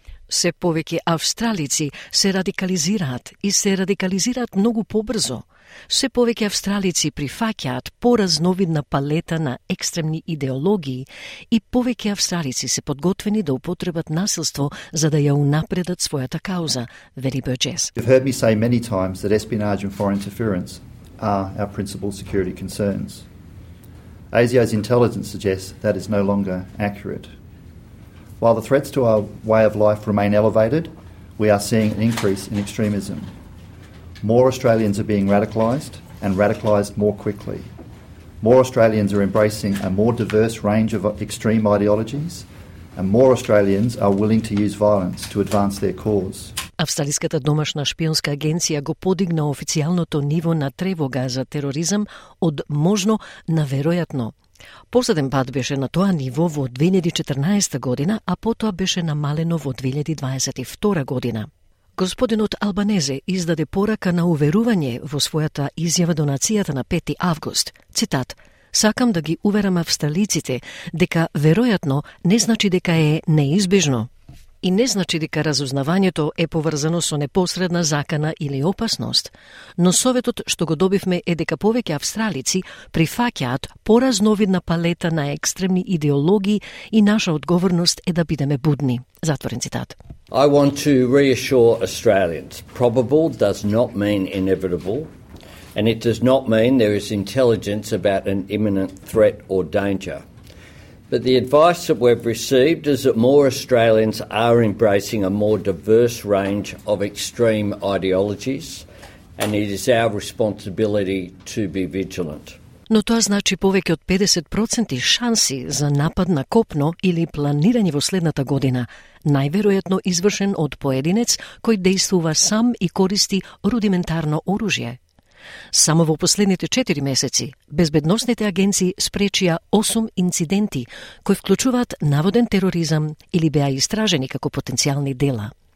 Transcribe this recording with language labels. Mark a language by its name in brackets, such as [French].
[Macedonian] Се повеќе австралици се радикализираат и се радикализираат многу побрзо. Се повеќе австралици прифаќаат поразновидна палета на екстремни идеологии и повеќе австралици се подготвени да употребат насилство за да ја унапредат својата кауза, вели Бърджес. [English] You've heard me say many times that espionage and foreign interference are our principal security concerns. ASIO's intelligence suggests that is no longer accurate. While the threats to our way of life remain elevated, we are seeing an increase in extremism. More Australians are being radicalised and radicalised more quickly. More Australians are embracing a more diverse range of extreme ideologies and more Australians are willing to use violence to advance their cause. [Macedonian] Австралиската домашна шпионска агенција го подигна официјалното ниво на тревога за тероризам од можно на веројатно. Последен пат беше на тоа ниво во 2014 година, а потоа беше намалено во 2022 година. Господинот Албанезе издаде порака на уверување во својата изјава до нацијата на 5 август. Цитат: «Сакам да ги уверам австралиците дека веројатно не значи дека е неизбежно и не значи дека разузнавањето е поврзано со непосредна закана или опасност, но советот што го добивме е дека повеќе австралици прифаќаат поразновидна палета на екстремни идеологии и наша одговорност е да бидеме будни». Затворен цитат. [English] I want to reassure Australians. Probable does not mean inevitable. and it does not mean there is intelligence about an imminent threat or danger. But the advice that we've received is that more Australians are embracing a more diverse range of extreme ideologies, and it is our responsibility to be vigilant. [Macedonian] Но тоа значи повеќе од 50% шанси за напад на копно или планирање во следната година, најверојатно извршен од поединец кој действува сам и користи рудиментарно оружје. Само во последните 4 месеци, безбедносните агенции спречија 8 инциденти кои вклучуваат наводен тероризам или беа истражени како потенцијални дела.